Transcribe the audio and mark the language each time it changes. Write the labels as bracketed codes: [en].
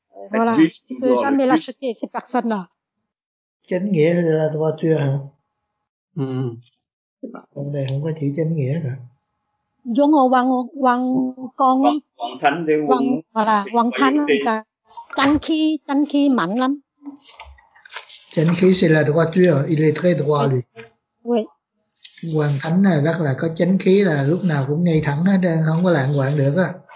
[fr] Voilà, tu peux jamais l'acheter, ces personnes-là. [vi] Chánh nghĩa là [fr] la droiture, hein? [vi] Con này không có chỉ chánh nghĩa cả. Giống ở Hoàng, Hoàng, con... Hoàng Thánh đi, Hoàng... Voilà, Hoàng Thánh, chánh khí mạnh lắm. [fr] Chánh khí c'est la droiture, il est très droit, lui. Oui. [vi] Hoàng Thánh là rất là có chánh khí, là lúc nào cũng ngay thẳng hết, không có lạng hoạn được á.